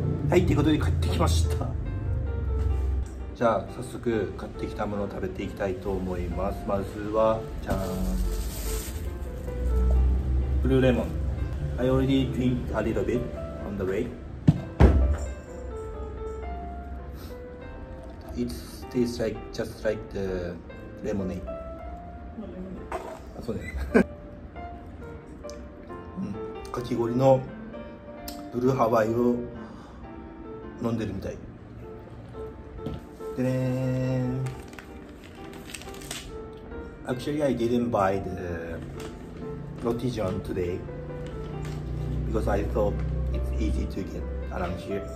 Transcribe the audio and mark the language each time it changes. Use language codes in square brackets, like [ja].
[ja] はい、ということで買ってきました。じゃあ早速買ってきたものを食べていきたいと思います。まずはじゃーん、ブルーレモン。 [en] I already drink a little bit on the way. It tastes like just like the lemonade. [ja] そうね、かき氷のブルーハワイを飲んでるみたい。 [en] でね、Actually I didn't buy the roti john today because I thought it's easy to get around here.